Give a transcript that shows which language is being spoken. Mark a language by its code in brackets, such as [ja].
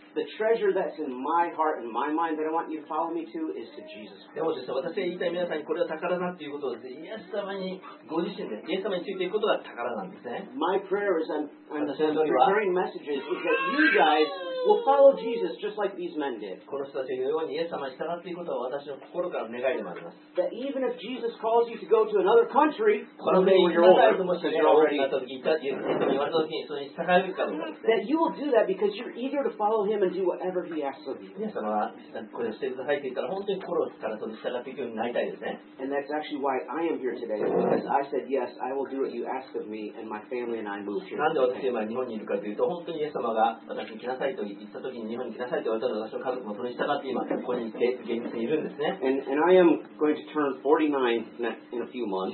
[en] The treasure that's in my heart and my mind that I want you to follow me to is to Jesus. [ja] でもですね、私が言いたい皆さんにこれは宝だっていうことです。イエス様にご自身で、イエス様についていくことが宝なんですね。 [en] My prayer is I'm preparing messages is that you guys will follow Jesus just like these men did. [ja] この人たちのようにイエス様に従っていくことは私の心から願いでもあります。 [en] That even if Jesus calls you to go to another country, [ja] この国に行ったときに、イエス様に言われたときに、それに従えるかどうかです。 [en] That you will do that because you're eager to follow him. And do whatever he asks of you. And that's actually why I am here today, because I said yes, I will do what you ask of me, and my family and I moved here. [ja] なんで私は日本にいるかというと、本当にイエス様が私に来なさいと言ったときに日本に来なさいと言われたら、私の家族もそれに従って今ここに現実にいるんですね。 [en] And I am going to turn 49 in a few months.